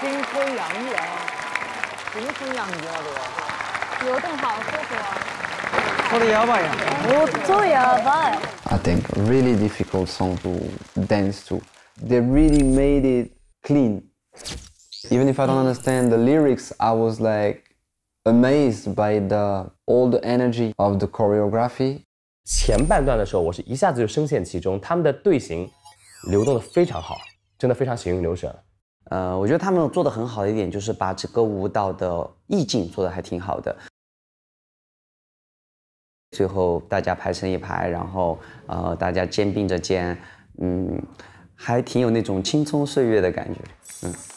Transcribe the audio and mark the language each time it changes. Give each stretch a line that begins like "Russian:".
Chinese: 青春洋溢啊，青春洋溢啊，对吧？有更好舒服啊，我的摇摆呀，我做摇摆。
English: I think really difficult song to dance to. They really made it clean. Even if I don't understand the lyrics, I was like amazed by the all the energy of the choreography.
Chinese: 前半段的时候，我是一下子就深陷其中，他们的队形流动的非常好，真的非常行云流水。我觉得他们做的很好的一点就是把整个舞蹈的意境做的还挺好的。最后大家排成一排，然后大家肩并着肩，还挺有那种青葱岁月的感觉。